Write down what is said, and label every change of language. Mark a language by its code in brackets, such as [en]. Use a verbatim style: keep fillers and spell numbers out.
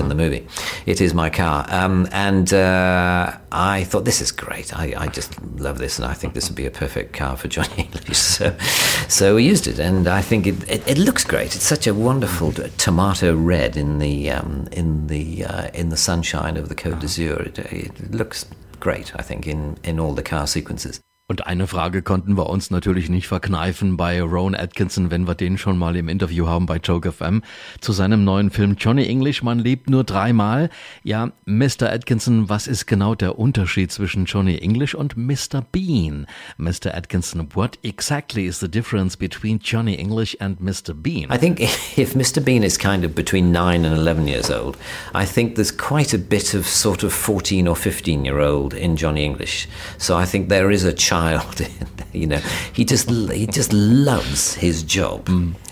[en] in the movie, it is my car, um, and uh, I thought, this is great, I, I just love this, and I think this would be a perfect car for Johnny English, so, so we used it, and I think it, it, it looks great. It's such a wonderful tomato red in the um, in the uh, in the sunshine of the Côte d'Azur. It, it looks great, I think, in, in all the car sequences. [de] Und eine Frage konnten wir uns natürlich nicht verkneifen bei Rowan Atkinson, wenn wir den schon mal im Interview haben bei Joke F M, zu seinem neuen Film Johnny English, man lebt nur dreimal. Ja, Mister Atkinson, was ist genau der Unterschied zwischen Johnny English und Mister Bean? [en] Mister Atkinson, what exactly is the difference between Johnny English and Mister Bean? I think if Mister Bean is kind of between nine and eleven years old, I think there's quite a bit of sort of fourteen or fifteen year old in Johnny English. So I think there is a child you know, he just he just loves his job. Mm.